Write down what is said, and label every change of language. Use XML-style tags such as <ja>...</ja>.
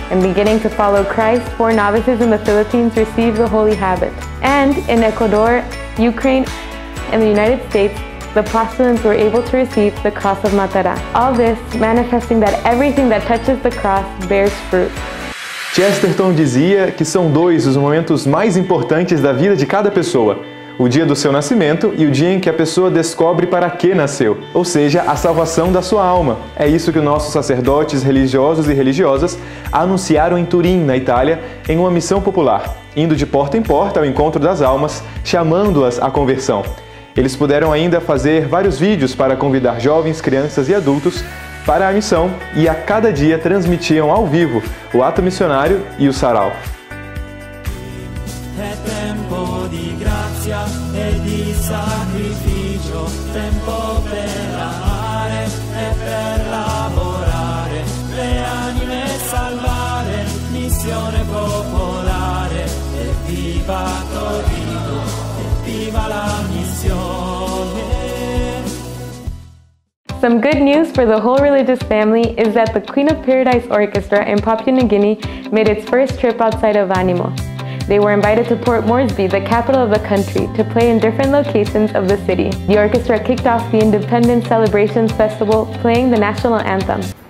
<en>And beginning to follow Christ, four novices in the Philippines received the holy habit. And in Ecuador, Ukraine, and the United States, the postulants were able to receive the cross of Matara. All this manifesting that everything that touches the cross bears fruit.</en> <pt>Chesterton dizia que são dois os momentos mais importantes da vida de cada pessoa: o dia do seu nascimento e o dia em que a pessoa descobre para que nasceu, ou seja, a salvação da sua alma. É isso que nossos sacerdotes, religiosos e religiosas anunciaram em Turim, na Itália, em uma missão popular, indo de porta em porta ao encontro das almas, chamando-as à conversão. Eles puderam ainda fazer vários vídeos para convidar jovens, crianças e adultos para a missão e a cada dia transmitiam ao vivo o ato missionário e o sarau. É tempo de graça e de sacrifício, tempo para amar e para laborar,</pt> <it>le anime salvar,</it> <pt>missão popular,</pt> <it>e viva Torino,</it> <pt>e viva la missão.</pt> <en>Some good news for the whole religious family is that the Queen of Paradise Orchestra in Papua New Guinea made its first trip outside of Animo. They were invited to Port Moresby, the capital of the country, to play in different locations of the city. The orchestra kicked off the Independence Celebrations Festival playing the national anthem.</en>